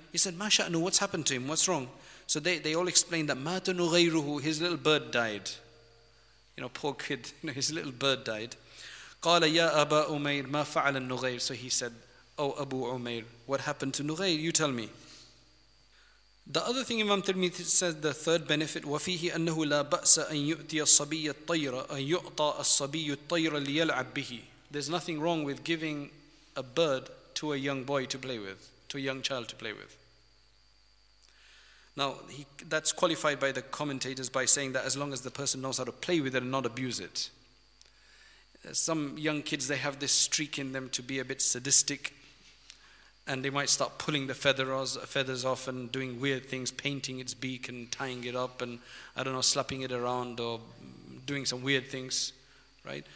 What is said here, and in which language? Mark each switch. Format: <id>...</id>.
<en>He said,</en> <ar>مَا شَأْنُ,</ar> <en>what's happened to him? What's wrong? So they all explained that</en> <ar>مَاتَ نُغَيْرُهُ,</ar> <en>his little bird died. You know, poor kid, you know, his little bird died.</en> <ar>قَالَ يَا أَبَا أُمَيْرُ مَا فَعَلَ النُغَيْرُ.</ar> <en>So he said, oh Abu Umair, what happened to Nughayr? You tell me. The other thing Imam Tirmidhi said, the third benefit,</en> <ar>وَفِيهِ أَنَّهُ لَا بَأْسَ أَنْ يُؤْتِيَ الصَّبِيَّ الطَّيْرَ أَنْ يُؤْطَى الصَّبِيُّ الطَّيْرَ لِيَلْعَبْ بِهِ.</ar> <en>There's nothing wrong with giving a bird to a young boy to play with, to a young child to play with. Now, that's qualified by the commentators by saying that as long as the person knows how to play with it and not abuse it. Some young kids, they have this streak in them to be a bit sadistic, and they might start pulling the feathers off and doing weird things, painting its beak and tying it up and, I don't know, slapping it around or doing some weird things, right?</en>